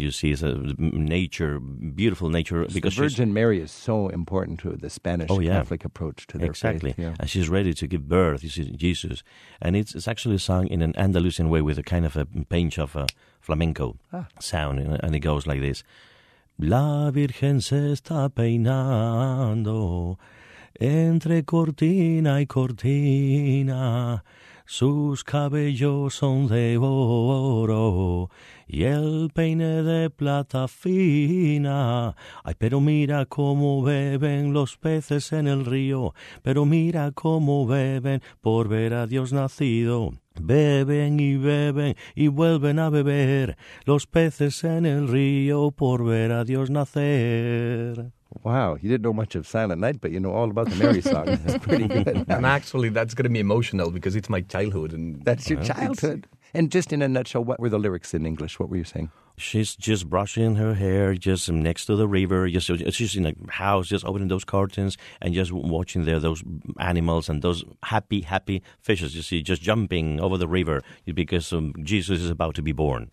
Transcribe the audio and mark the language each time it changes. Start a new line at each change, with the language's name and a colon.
English: You see, it's nature, beautiful nature. Because the Virgin Mary is so important to the Spanish Catholic approach to their exactly. faith. Exactly, and she's ready to give birth. You see, Jesus, and it's actually sung in an Andalusian way with a kind of a pinch of a flamenco sound, and it goes like this.
Spanish: La Virgen se está peinando entre cortina y cortina. Sus cabellos son de oro y el peine de plata fina. Ay, pero mira cómo beben los peces en el río. Pero mira cómo beben por ver a Dios nacido. Beben y beben y vuelven a beber los peces en el río por ver a Dios nacer.
English: Wow, you didn't know much of Silent Night, but you know all about the Mary song. That's pretty good. And actually, that's going to be emotional because it's my childhood. And that's your childhood. And just in a nutshell, what were the lyrics in English? What were you saying? She's just brushing her hair just next to the river. She's in a house, just opening those curtains and just watching there those animals and those happy, happy fishes, you see, just jumping over the river because Jesus is about to be born.